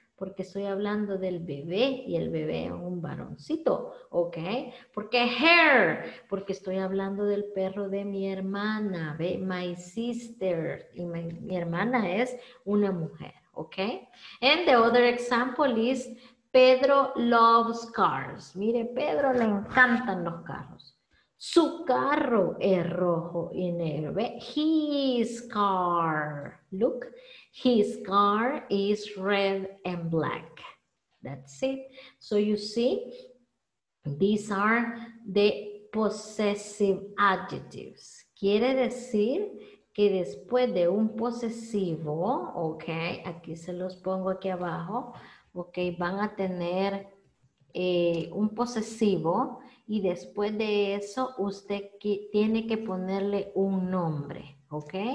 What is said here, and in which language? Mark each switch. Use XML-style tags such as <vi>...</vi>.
<es>Porque estoy hablando del bebé y el bebé es un varoncito. ¿Ok? ¿Por qué her? Porque estoy hablando del perro de mi hermana. ¿Ve? My sister. Y mi hermana es una mujer. ¿Ok?</es> <en>And the other example is Pedro loves cars.</en> <es>Mire, Pedro le encantan los carros. Su carro es rojo y negro. ¿Ve?</es> <en>His car. Look. His car is red and black. That's it. So you see, these are the possessive adjectives.</en> <es>Quiere decir que después de un posesivo, ok, aquí se los pongo aquí abajo, ok, van a tener un posesivo. Y después de eso, usted tiene que ponerle un nombre, ¿ok?</es>